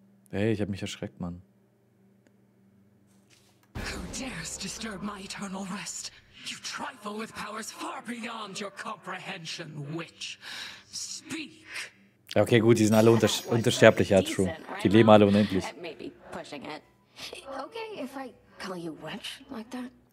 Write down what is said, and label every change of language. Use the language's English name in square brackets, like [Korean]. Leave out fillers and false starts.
[German] Hey, ich hab mich erschreckt, Mann. [English] Who dares disturb my eternal rest? You trifle with powers far beyond your comprehension, witch. Speak. [German] Okay, gut, die sind alle untersterblich, ja, true. Die leben alle unendlich. [English] Maybe pushing it. Okay, if I call you witch like that.